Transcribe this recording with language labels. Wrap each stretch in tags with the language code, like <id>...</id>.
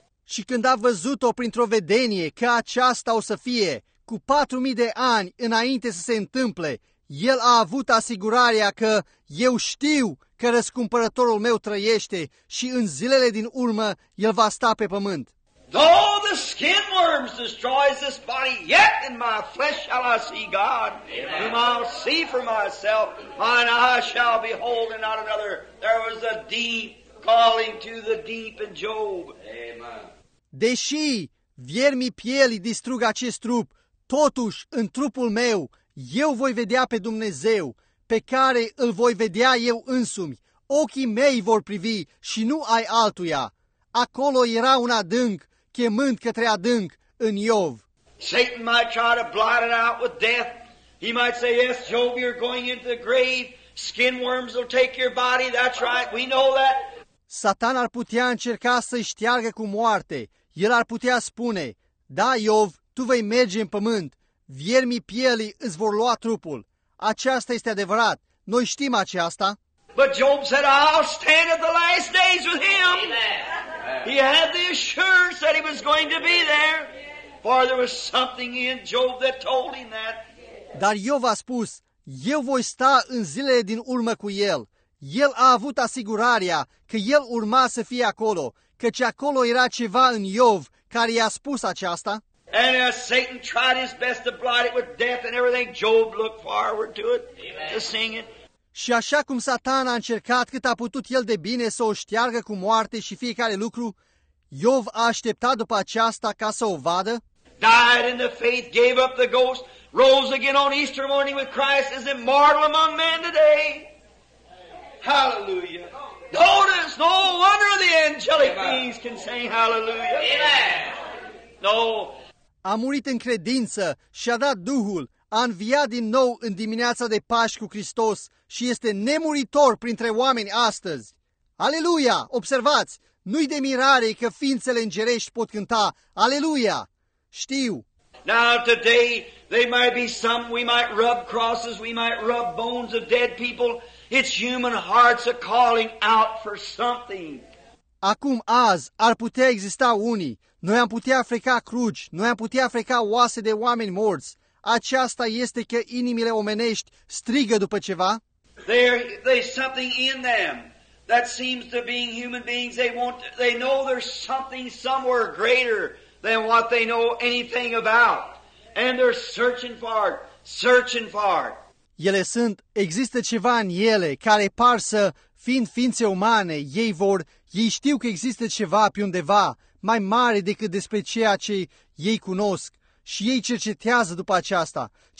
<ro>Și când a văzut-o printr-o vedenie că aceasta o să fie cu 4,000 de ani înainte să se întâmple, el a avut asigurarea că eu știu că răscumpărătorul meu trăiește și în zilele din urmă el va sta pe pământ.</ro> <en>Though the skin worms destroys this body, yet in my flesh shall I see God, whom I'll see for myself, mine eyes shall behold and not another. There was a deep calling to the deep in Job.</en> <ro>Deși viermii pielii distrug acest trup, totuși în trupul meu eu voi vedea pe Dumnezeu, pe care îl voi vedea eu însumi. Ochii mei vor privi și nu ai altuia. Acolo era un adânc, chemând către adânc, în Iov.</ro> <en>Satan might try to blot it out with death. He might say, yes, Job, you're going into the grave. Skin worms will take your body. That's right, we know that.</en> <ro>Satan ar putea încerca să-i șteargă cu moarte. El ar putea spune, da, Iov, tu vei merge în pământ. Viermii pielii îți vor lua trupul. Aceasta este adevărat. Noi știm aceasta.</ro> <en>But Job said, I'll stand at the last days with him. Amen. He had the assurance that he was going to be there. For there was something in Job that told him that.</en> <ro>Dar Iov a spus, eu voi sta în zilele din urmă cu el. El a avut asigurarea că el urma să fie acolo, căci acolo era ceva în Iov care i-a spus aceasta.</ro> <en>And as Satan tried his best to blot it with death and everything, Job looked forward to it, to seeing it.</en> <ro>Și așa cum Satan a încercat cât a putut el de bine să o șteargă cu moarte și fiecare lucru, Iov a așteptat după aceasta ca să o vadă.</ro> <en>Died in the faith, gave up the ghost, rose again on Easter morning with Christ, is immortal among men today. Hallelujah. Notice, no wonder the angelic beings can sing hallelujah. Amen. No.</en> <ro>A murit în credință și a dat Duhul, a înviat din nou în dimineața de Paști cu Hristos și este nemuritor printre oameni astăzi. Aleluia! Observați, nu-i de mirare că ființele îngerești pot cânta aleluia! Știu!</ro> <en>Now today there might be some, we might rub crosses, we might rub bones of dead people. It's human hearts are calling out for something.</en> <ro>Acum, azi, ar putea exista unii. Noi am putea freca cruci, noi am putea freca oase de oameni morți. Aceasta este că inimile omenești strigă după ceva.</ro> <en>There's something in them that seems to be human beings. They know there's something somewhere greater than what they know anything about. And they're searching for it, searching for it.</en> <ro>Ele sunt, există ceva în ele care par să, fiind ființe umane, ei știu că există ceva pe undeva mai mare decât despre ceea ce ei cunosc și ei cercetează după aceasta.</ro>